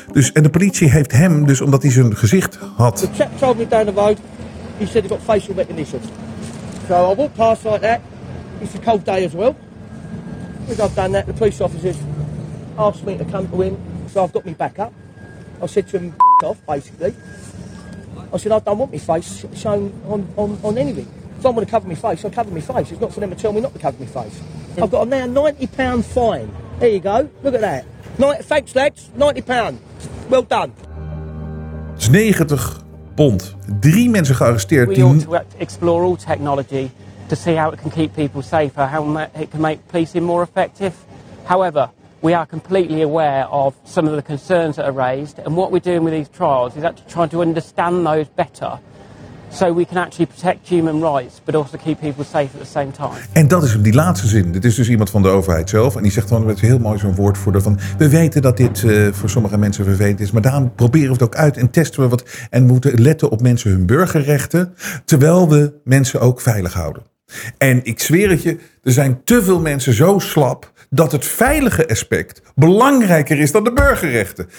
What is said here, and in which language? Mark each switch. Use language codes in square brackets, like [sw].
[nl] Dus, en de politie heeft hem, dus omdat hij zijn gezicht had. [en] The chap told me down the road, he said he got facial recognition. So I walked past like that. It's a cold day as well. Because I've done that, the police officers asked me to come to him. So I've got my back up. I said to him, f*** off, basically. I said, I don't want my face shown on anything. If I'm going to cover my face, I'll cover my face. It's not for them to tell me not to cover my face. Yeah. I've got a now £90 fine. There you go. Look at that. Thanks, lads. £90. Well done. It's £90. Three [nl] mensen gearresteerd. [en] We ought to explore all technology to see how it can keep people safer, how it can make policing more effective. However, we are completely aware of some of the concerns that are raised, and what we're doing with these trials is actually trying to understand those better so we can actually protect human rights but also keep people safe at the same time. [nl] En dat is die laatste zin. Dit is dus iemand van de overheid zelf en die zegt dan met heel mooi zo'n woordvoerder van we weten dat dit voor sommige mensen vervelend is, maar daarom proberen we het ook uit en testen we wat en moeten letten op mensen hun burgerrechten terwijl we mensen ook veilig houden. En ik zweer het je, er zijn te veel mensen zo slap dat het veilige aspect belangrijker is dan de burgerrechten.